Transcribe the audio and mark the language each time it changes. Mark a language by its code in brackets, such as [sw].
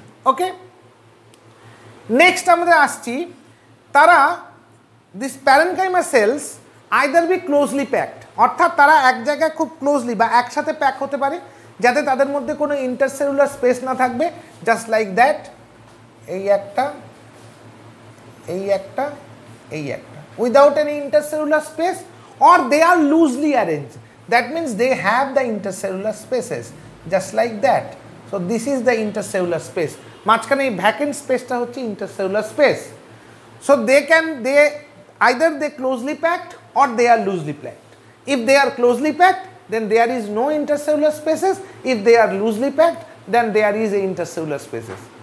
[bn] ওকে, next আমাদের আসছি, তারা [en] this parenchyma cells either be closely packed, [bn] অর্থাৎ তারা এক জায়গায় খুব ক্লোজলি বা একসাথে প্যাক হতে পারে, যাতে তাদের মধ্যে কোনো ইন্টারসেলুলার স্পেস না থাকবে। [en] just like that, [bn] এই একটা, এই একটা, এই একটা, [en] Without any intercellular space, or they are loosely arrange, That means they have the intercellular spaces, just like that. So this is the intercellular space. [bn] মাঝখানে এই ভ্যাকেন্ট স্পেসটা হচ্ছে intercellular space. [en] So they can they either they closely packed or they are loosely packed. If they are closely packed then they are is no intercellular spaces, if they are loosely packed then they are is a intercellular spaces.